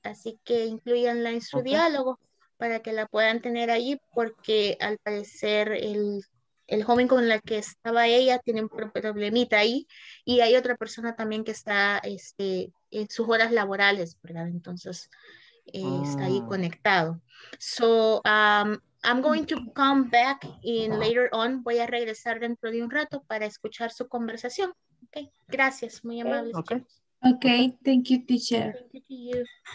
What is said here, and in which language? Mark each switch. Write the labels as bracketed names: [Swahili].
[Spanish] Así que incluyanla en su diálogo para que la puedan tener allí, porque al parecer el joven con la que estaba ella tiene un problemita ahí y hay otra persona también que está en sus horas laborales, ¿verdad? Entonces... está ahí conectado. So [English] I'm going to come back in later on. [Spanish] Voy a regresar dentro de un rato para escuchar su conversación. Okay. Gracias, muy amable. [English] Okay. Okay, thank you, teacher. Thank you to you.